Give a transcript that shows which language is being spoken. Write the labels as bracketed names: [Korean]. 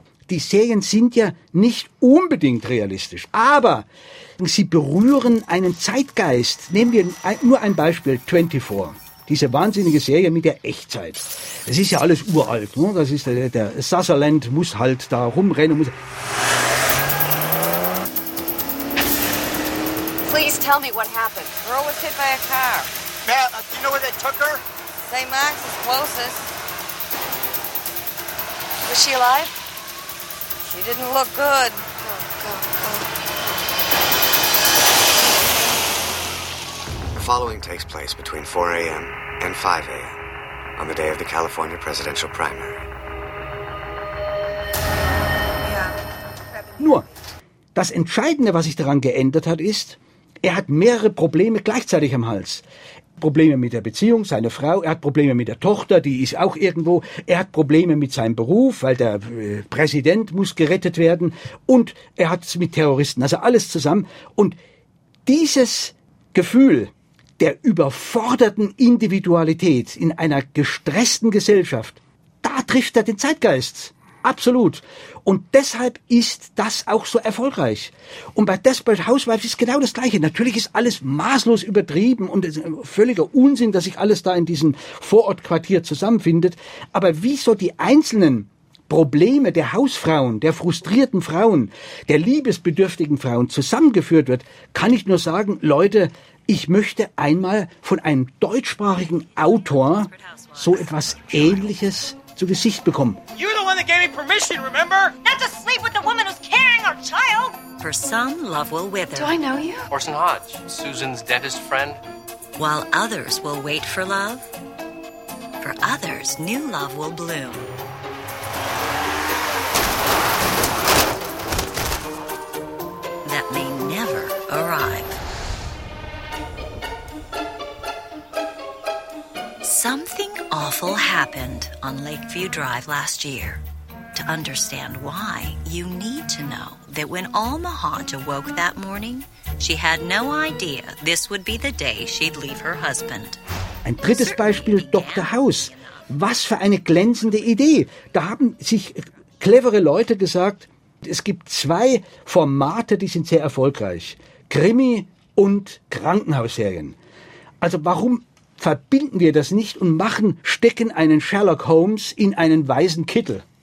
[German] Die Serien sind ja nicht unbedingt realistisch, aber sie berühren einen Zeitgeist. Nehmen wir nur ein Beispiel, 24, diese wahnsinnige Serie mit der Echtzeit. Das ist ja alles uralt, ne? Das ist der Sutherland muss halt da rumrennen. Muss. [English] Please tell me what happened. Girl was hit by a car. Matt, do you know where they took her? St. Max is closest. Was she alive? She didn't look good. The following takes place between 4 a.m. and 5 a.m. on the day of the California presidential primary. [German] Nur, das Entscheidende, was sich daran geändert hat, ist, er hat mehrere Probleme gleichzeitig am Hals. Probleme mit der Beziehung, seine Frau, er hat Probleme mit der Tochter, die ist auch irgendwo, er hat Probleme mit seinem Beruf, weil der Präsident muss gerettet werden und er hat es mit Terroristen, also alles zusammen. Und dieses Gefühl der überforderten Individualität in einer gestressten Gesellschaft, da trifft er den Zeitgeist, absolut. Und deshalb ist das auch so erfolgreich. Und bei Desperate Housewives ist genau das Gleiche. Natürlich ist alles maßlos übertrieben und es ist ein völliger Unsinn, dass sich alles da in diesem Vorortquartier zusammenfindet. Aber wie so die einzelnen Probleme der Hausfrauen, der frustrierten Frauen, der liebesbedürftigen Frauen zusammengeführt wird, kann ich nur sagen, Leute, ich möchte einmal von einem deutschsprachigen Autor so etwas Ähnliches zu Gesicht bekommen. [English] You're the one that gave me permission, remember? Not to sleep with the woman who's carrying our child. For some, love will wither. Do I know you? Orson Hodge, Susan's dentist friend. While others will wait for love, for others, new love will bloom. That may never arrive. Something awful happened on Lakeview Drive last year. To understand why, you need to know that when Alma Hodge awoke that morning, she had no idea this would be the day she'd leave her husband. [German] Ein drittes Beispiel, Dr. House. Was für eine glänzende Idee. Da haben sich clevere Leute gesagt, es gibt zwei Formate, die sind sehr erfolgreich. Krimi und Krankenhausserien. Also warum verbinden wir das nicht und stecken einen Sherlock Holmes in einen weißen Kittel.